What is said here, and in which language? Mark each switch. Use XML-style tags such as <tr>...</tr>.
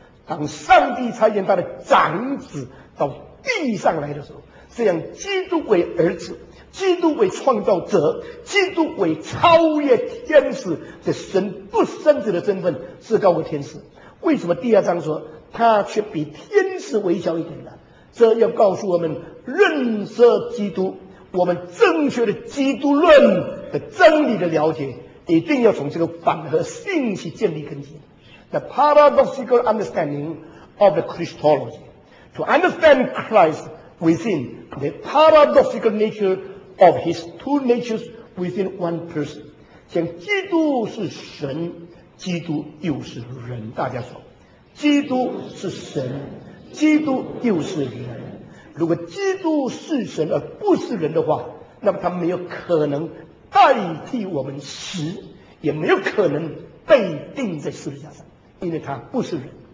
<zh>当上帝差遣他的长子到地上来的时候，这样基督为儿子，基督为创造者，基督为超越天使的神不生子的身份是高过天使。为什么第二章说他却比天使微小一点呢？这要告诉我们认识基督，我们正确的基督论的真理的了解一定要从这个反合信息建立根基。</zh> <en>The paradoxical understanding of the Christology to understand Christ within the paradoxical natureOf his two natures within one person.</en> <zh>讲基督是神，基督又是人。大家说，基督是神，基督又是人。如果基督是神而不是人的话，那么他没有可能代替我们死，也没有可能被钉在十字架上，因为他不是人。</zh>